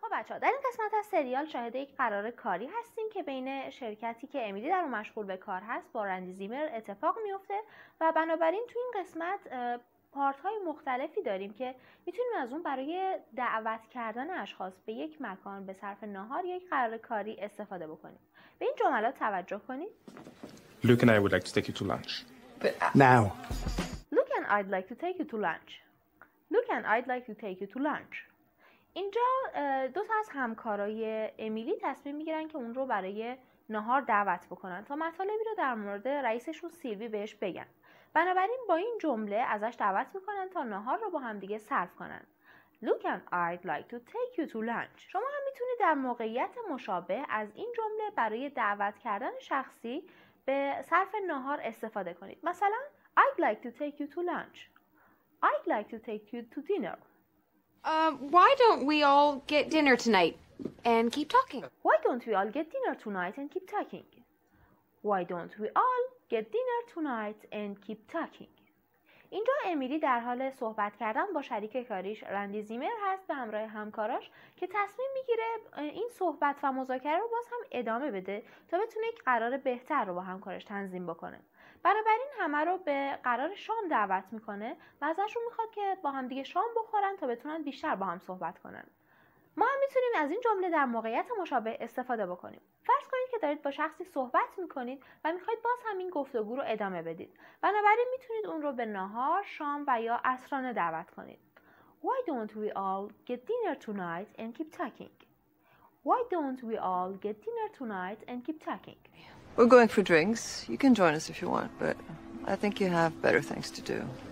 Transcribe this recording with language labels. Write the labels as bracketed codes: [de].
[fa] خب بچه‌ها، در این قسمت از سریال شاهد یک قرار کاری هستیم که بین شرکتی که امیلی در اون مشغول به کار هست با رندی زیمر اتفاق میفته و بنابراین تو این قسمت پارت‌های مختلفی داریم که میتونیم از اون برای دعوت کردن اشخاص به یک مکان به صرف ناهار یک قرار کاری استفاده بکنیم. به این جملات توجه کنید. [en] Luke and I would like to take you to lunch. Now. Luke and I'd like to take you to lunch. Look and I'd like to take you to lunch. [fa] اینجا دو تا از همکارای امیلی تصمیم میگیرن که اون رو برای ناهار دعوت بکنن تا مطالبی رو در مورد رئیسشون سیلوی بهش بگن. بنابراین با این جمله ازش دعوت میکنن تا ناهار رو با هم دیگه صرف کنن. [en] Look and I'd like to take you to lunch. [fa] شما هم میتونید در موقعیت مشابه از این جمله برای دعوت کردن شخصی به صرف ناهار استفاده کنید. مثلا [en] I'd like to take you to lunch. I'd like to take you to dinner. Why don't we all get dinner tonight and keep talking? Why don't we all get dinner tonight and keep talking? Why don't we all get dinner tonight and keep talking? [fa] اینجا امیلی در حال صحبت کردن با شریک کاریش رندی زیمر هست به همراه همکاراش که تصمیم میگیره این صحبت و مذاکره رو باز هم ادامه بده تا بتونه یک قرار بهتر رو با همکارش تنظیم بکنه. بنابراین همه رو به قرار شام دعوت میکنه و ازشون میخواد که با هم دیگه شام بخورن تا بتونن بیشتر با هم صحبت کنن. ما هم میتونیم از این جمله در موقعیت مشابه استفاده بکنیم. فرض کنید که دارید با شخصی صحبت میکنید و میخواید باز همین گفتگو رو ادامه بدید. بنابراین میتونید اون رو به ناهار، شام و یا عصرانه دعوت کنید. [en] Why don't we all get dinner tonight and keep talking? Why don't we all get dinner tonight and keep talking? We're going for drinks. You can join us if you want, but I think you have better things to do.